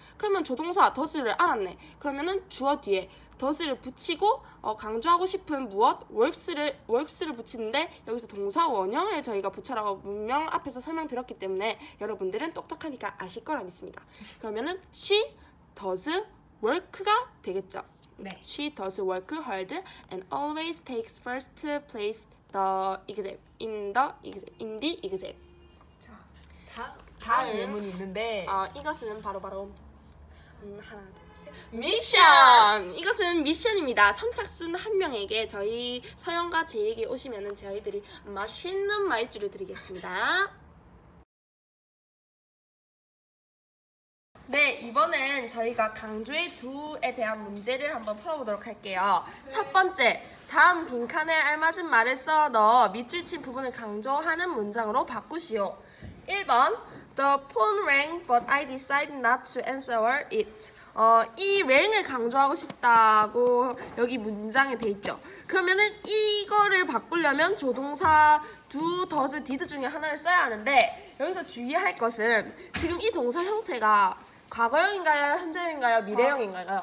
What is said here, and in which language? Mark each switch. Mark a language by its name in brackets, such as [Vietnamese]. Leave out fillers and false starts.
[Korean] 그러면 조동사 does를 알았네. 그러면은 주어 뒤에 does를 붙이고 강조하고 싶은 무엇 works를 붙이는데 여기서 동사 원형을 저희가 붙여라고 문명 앞에서 설명드렸기 때문에 여러분들은 똑똑하니까 아실 거라 믿습니다. 그러면은 [English] she does work [Korean] 가 되겠죠. 네. [English] She does work hard and always takes first place the exam in the exam in the exam. [Korean] 다음 질문이 있는데 이것은 바로 하나 미션! 이것은 미션입니다. 선착순 한 명에게 저희 서영과 제이에게 오시면은 저희들이 맛있는 마이쮸를 드리겠습니다. 네, 이번엔 저희가 강조의 두에 대한 문제를 한번 풀어보도록 할게요. 네. 첫 번째, 다음 빈칸에 알맞은 말을 써 넣어 밑줄 친 부분을 강조하는 문장으로 바꾸시오. [English] 1번, The phone rang, but I decided not to answer it. [Korean] 이 rang을 강조하고 싶다고 여기 문장에 돼 있죠. 그러면은 이거를 바꾸려면 조동사 do, does, did 중에 하나를 써야 하는데 여기서 주의할 것은 지금 이 동사 형태가 과거형인가요? 현재형인가요? 미래형인가요?